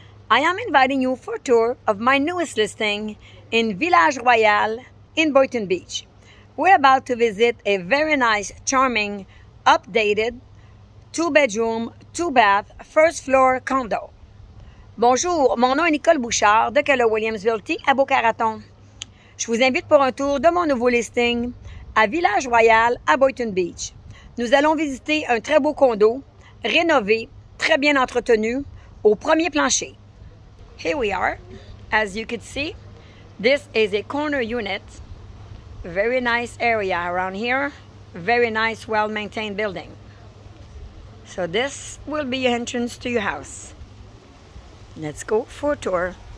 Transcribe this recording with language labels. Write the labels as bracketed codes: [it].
[en] I am inviting you for a tour of my newest listing in Village Royal in Boynton Beach. We're about to visit a very nice, charming, updated, two-bedroom, two-bath, first-floor condo. [fr] Bonjour, mon nom est Nicole Bouchard de Keller Williams Realty à Boca Raton. Je vous invite pour un tour de mon nouveau listing à Village Royal à Boynton Beach. Nous allons visiter un très beau condo, rénové, très bien entretenu, au premier plancher. [en] Here we are. As you could see, this is a corner unit. Very nice area around here. Very nice, well-maintained building. So this will be your entrance to your house. Let's go for a tour.